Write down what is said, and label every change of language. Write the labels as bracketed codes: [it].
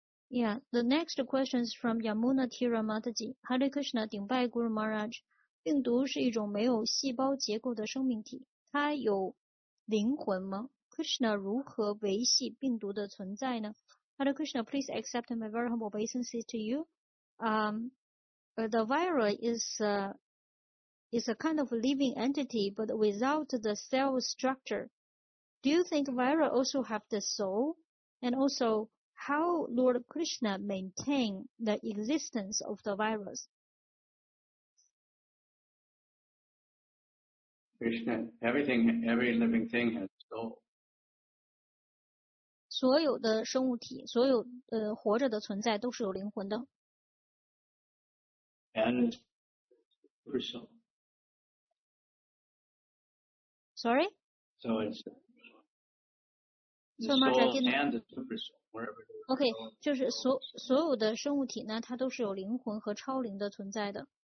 [en] Yeah, the next question is from Yamuna Tira Mataji. [zh] Hare Krishna, 顶拜 Guru Maharaj. 病毒是一种没有细胞结构的生命体，它有灵魂吗？ Krishna 如何维系病毒的存在呢？ [en] Hare Krishna, please accept my very humble obeisances to you. The virus is a kind of living entity, but without the cell structure. Do you think virus also have the soul? And also, how Lord Krishna maintain the existence of the virus? Krishna, everything, every living thing has soul. [zh] 所有的生物体，所有活着的存在都是有灵魂的。 [en] And it's pure soul. Sorry? So it's the soul and the super soul, wherever it is. [zh] Okay, 就是所有的生物体呢，它都是有灵魂和超灵的存在的。